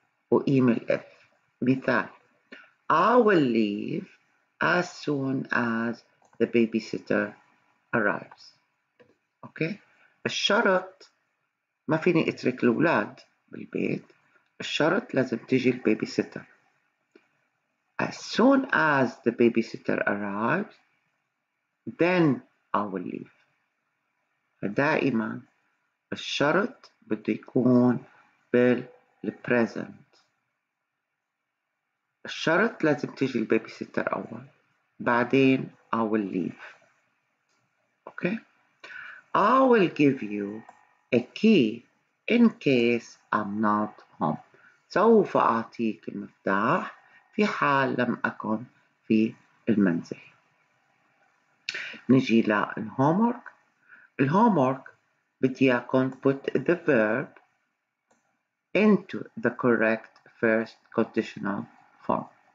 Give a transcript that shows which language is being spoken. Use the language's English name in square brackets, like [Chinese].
[Arabic] وقيم الاف مثال: [English] I will leave as soon as the babysitter arrives. [Arabic] اوكي، الشرط ما فيني اترك الاولاد بالبيت، الشرط لازم تيجي البيبي سيتر. [English] As soon as the babysitter arrives then I will leave. [Arabic] فدائما الشرط بده يكون بالبريزنت. الشرط لازم تيجي البيبي سيتر اول، بعدين [English] I will leave. [Arabic] اوكي، [English] I will give you a key in case I'm not home. [Arabic] سوف اعطيك المفتاح في حال لم اكن في المنزل. نجي للهومورك. الهومورك بدي اياكم [English] put the verb into the correct first conditional form.